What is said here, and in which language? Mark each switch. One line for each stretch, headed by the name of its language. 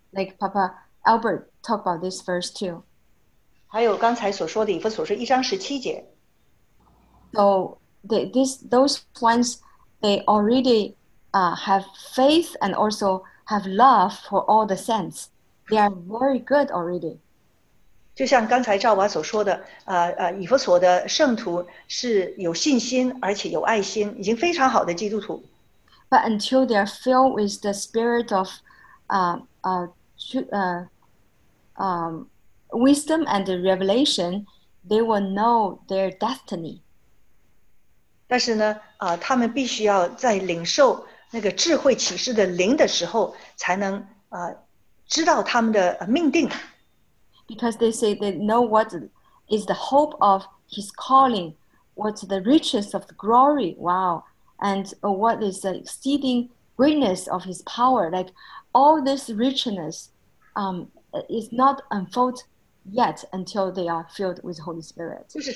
English: Like Papa Albert talked about this verse too.
Chinese: 还有刚才所说的以弗所说一章十七节。
English: So they, this, those ones, they already have faith and also have love for all the saints. They are very good already.
Chinese: 就像刚才赵娃所说的, 以弗所的圣徒是有信心而且有爱心, 已经非常好的基督徒。
English: But until they are filled with the spirit of wisdom and the revelation, they will know their destiny.
Chinese: 但是呢, 他们必须要在领受那个智慧启示的灵的时候, 才能, 知道他们的命定。
English: Because they say they know what is the hope of his calling, what's the riches of the glory, wow, and what is the exceeding greatness of his power. Like all this richness is not unfold yet until they are filled with Holy Spirit.